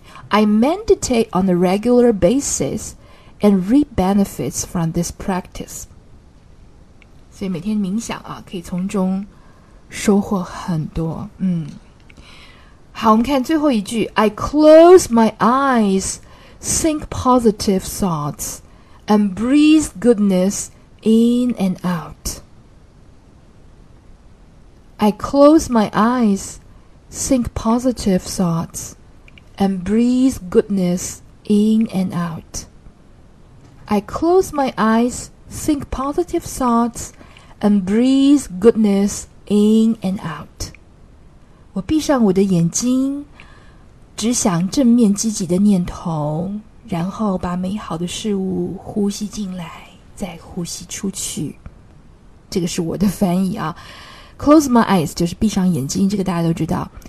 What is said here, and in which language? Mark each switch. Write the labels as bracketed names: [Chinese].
[English] I meditate on a regular basis and reap benefits from this practice. [Chinese] 所以每天冥想啊，可以从中收获很多。 [English] 好，我们看最后一句， I close my eyes, think positive thoughts. And breathe goodness in and out. I close my eyes, think positive thoughts, and breathe goodness in and out. I close my eyes, think positive thoughts, and breathe goodness in and out. [Chinese] 我闭上我的眼睛，只想正面积极的念头，然后把美好的事物呼吸进来，再呼吸出去。这个是我的翻译啊。 Close my eyes 就是闭上眼睛，这个大家都知道。